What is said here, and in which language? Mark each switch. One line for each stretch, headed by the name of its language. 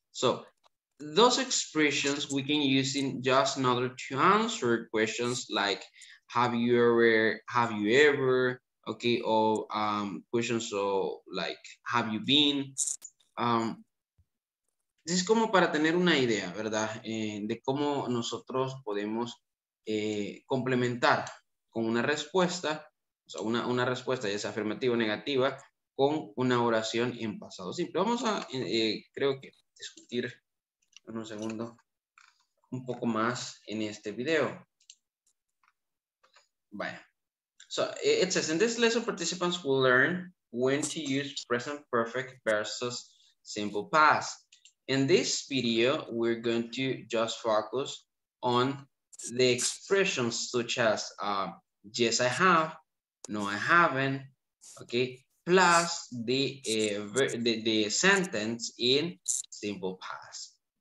English: So, those expressions we can use in just in order to answer questions like have you ever, okay, or questions so like have you been. This is
Spanish: como para tener una idea, ¿verdad? De cómo nosotros podemos complementar con una respuesta, o sea, una respuesta ya sea afirmativa o negativa, con una oración en pasado simple. Vamos a creo que discutir en un segundo un poco más en este video. Vaya.
English: So it says, in this lesson, participants will learn when to use present perfect versus simple past. In this video, we're going to just focus on the expressions such as yes, I have, no, I haven't, okay, plus the sentence in simple past.